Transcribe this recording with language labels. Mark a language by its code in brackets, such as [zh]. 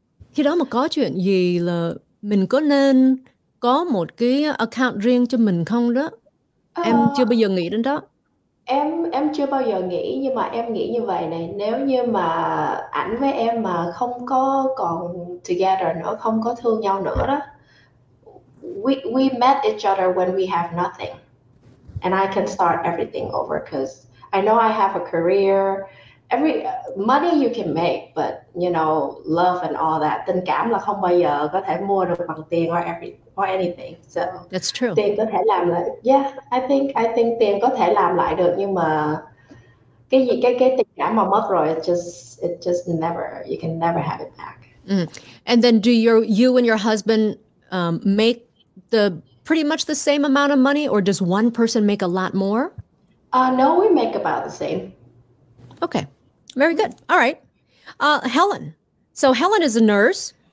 [vi] Khi đó mà có chuyện gì là mình có nên có một cái account riêng cho mình không đó. Em chưa bao giờ nghĩ đến đó. Em chưa bao giờ nghĩ, nhưng mà em nghĩ như vậy này, nếu như mà ảnh với em mà không có còn [en] together [vi] nữa, không có thương nhau nữa đó. [en] We met each other when we have nothing. And I can start everything over because I know I have a career. Every money you can make, but you know, love and all that. [vi] Tình cảm là không bao giờ có thể mua được bằng tiền [en] or anything. So that's true. [vi] Tiền có thể làm lại. [en] Yeah, I think [vi] tiền có thể làm lại được, nhưng mà cái tình cảm mà mất rồi, [en] it just never, you can never have it back. Mm. And then do you and your husband make the pretty much the same amount of money, or does one person make a lot more? No, we make about the same. Okay, very good. All right. Helen, So Helen is a nurse.